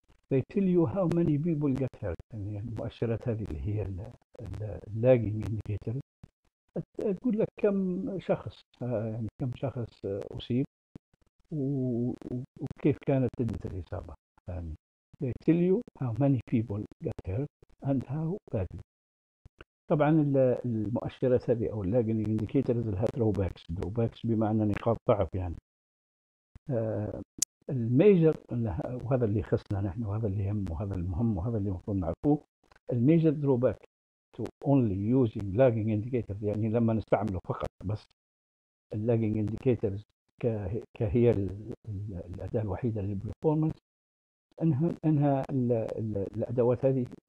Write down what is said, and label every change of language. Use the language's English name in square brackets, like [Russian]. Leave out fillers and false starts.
[English] They tell you how many people get hurt. [Arabic] يعني المؤشرات هذه اللي هي اللاجنج انديكيتور تقول لك كم شخص أصيب وكيف كانت شدة الإصابة. [English] يعني they tell you how many people get hurt and how badly. [Arabic] طبعا المؤشرات هذه او اللاجنج انديكيتورز لها دروباكس، بمعنى نقاط ضعف. يعني الميجر، وهذا اللي خصنا نحن وهذا اللي يهم وهذا المهم وهذا اللي المفروض نعرفه، [English] الميجر drawback to only using lagging indicators, [Arabic] يعني لما نستعمله فقط بس اللاجنج انديكيتورز كهي الاداه الوحيده للبرفورمانس، انها الادوات هذه